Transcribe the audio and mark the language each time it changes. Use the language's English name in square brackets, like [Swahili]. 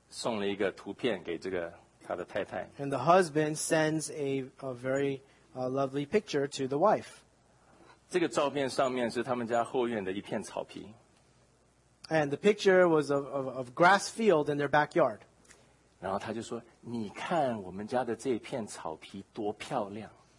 [Chinese] 这个丈夫很高兴的送了一个图片给这个。 [English] And the husband sends a very lovely picture to the wife. [Chinese] 这个照片上面是他们家后院的一片草皮。 [English] And the picture was of grass field in their backyard. [Chinese] 然后他就说, 你看我们家的这片草皮多漂亮。